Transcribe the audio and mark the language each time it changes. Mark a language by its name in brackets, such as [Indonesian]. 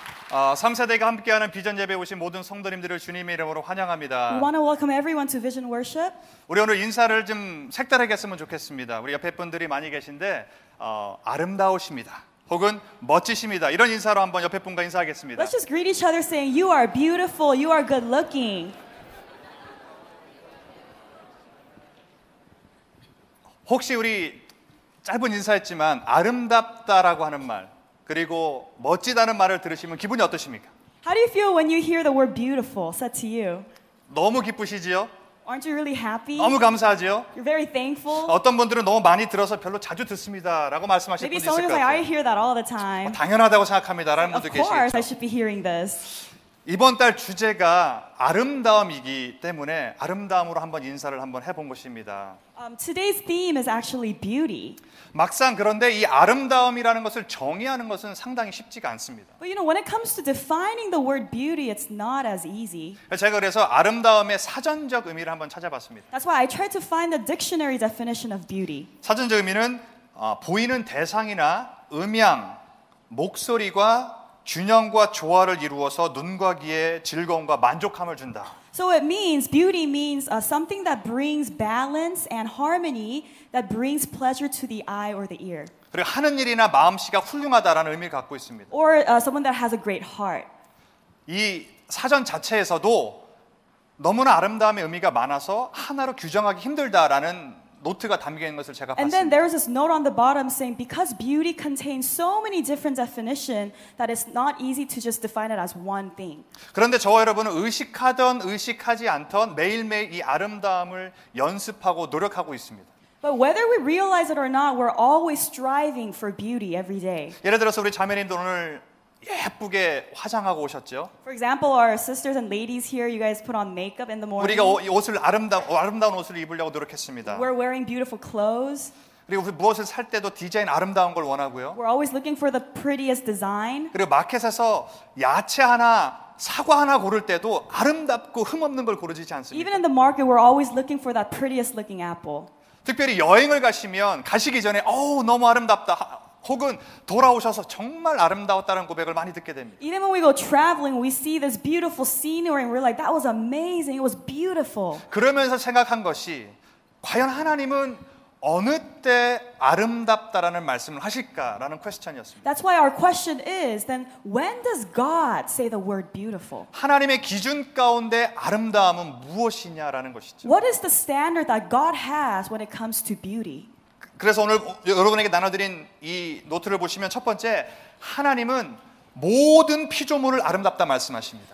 [Korean] 3세대가 함께하는 비전 예배에 오신 모든 성도님들을 주님의 이름으로 환영합니다. [English] We want to welcome everyone to Vision Worship. [Korean] 우리 오늘 인사를 좀 색다르게 했으면 좋겠습니다. 우리 옆에 분들이 많이 계신데 아름다우십니다. 혹은 멋지십니다. 이런 인사로 한번 옆에 분과 인사하겠습니다. [English] Let's just greet each other saying you are beautiful, you are good looking. [Korean] 혹시 우리 짧은 인사했지만 아름답다라고 하는 말 그리고 멋지다는 말을 들으시면 기분이 어떠십니까? [English] How do you feel when you hear the word beautiful said to you? [Korean] 너무 기쁘시지요? [English] Aren't you really happy? [Korean] 너무 감사하지요? [English] You're very thankful. [Korean] 어떤 분들은 너무 많이 들어서 별로 자주 듣습니다라고 말씀하실 분이 있을 것 같아요. [English] Maybe someone is like, I hear that all the time. [Korean] 당연하다고 생각합니다라는 분도 계시겠죠. [English] Of course, I should be hearing this. [Korean] 이번 달 주제가 아름다움이기 때문에 아름다움으로 한번 인사를 한번 해본 것입니다. [English] Today's theme is actually beauty. [Korean] 막상 그런데 이 아름다움이라는 것을 정의하는 것은 상당히 쉽지가 않습니다. [English] But you know, when it comes to defining the word beauty, it's not as easy. [Korean] 제가 그래서 아름다움의 사전적 의미를 한번 찾아봤습니다. [English] That's why I tried to find the dictionary definition of beauty. [Korean] 사전적 의미는 보이는 대상이나 음향, 목소리와 균형과 조화를 이루어서 눈과 귀에 즐거움과 만족함을 준다. [English] So it means beauty means something that brings balance and harmony that brings pleasure to the eye or the ear. [Korean] 그리고 하는 일이나 마음씨가 훌륭하다라는 의미를 갖고 있습니다. [English] Or someone that has a great heart. [Korean] 이 사전 자체에서도 너무나 아름다움의 의미가 많아서 하나로 규정하기 힘들다라는 노트가 담겨있는 것을 제가 봤습니다. [English] And then there is this note on the bottom saying because beauty contains so many different definitions that it's not easy to just define it as one thing. [Korean] 그런데 저와 여러분은 의식하던 의식하지 않던 매일매일 이 아름다움을 연습하고 노력하고 있습니다. [English] But whether we realize it or not, we're always striving for beauty every day. [Korean] 예를 들어서 우리 자매님도 오늘 예쁘게 화장하고 오셨죠. [English] For example, our sisters and ladies here, you guys put on makeup in the morning. [Korean] 우리가 옷을 아름다운 옷을 입으려고 노력했습니다. [English] We're wearing beautiful clothes. [Korean] 그리고 무엇을 살 때도 디자인 아름다운 걸 원하고요. [English] We're always looking for the prettiest design. [Korean] 그리고 마켓에서 야채 하나, 사과 하나 고를 때도 아름답고 흠 없는 걸 고르지 않습니다. [English] Even in the market, we're always looking for that prettiest looking apple. [Korean] 특별히 여행을 가시면 가시기 전에 어우 너무 아름답다. 혹은 돌아오셔서 정말 아름다웠다는 고백을 많이 듣게 됩니다. [English] Even when we go traveling, we see this beautiful scenery and we're like, that was amazing. It was beautiful. [Korean] 그러면서 생각한 것이 과연 하나님은 어느 때 아름답다라는 말씀을 하실까라는 퀘스천이었습니다. [English] That's why our question is, then when does God say the word beautiful? [Korean] 하나님의 기준 가운데 아름다움은 무엇이냐라는 것이죠. [English] What is the standard that God has when it comes to beauty? [Korean] 그래서 오늘 여러분에게 나눠드린 이 노트를 보시면 첫 번째 하나님은 모든 피조물을 아름답다 말씀하십니다.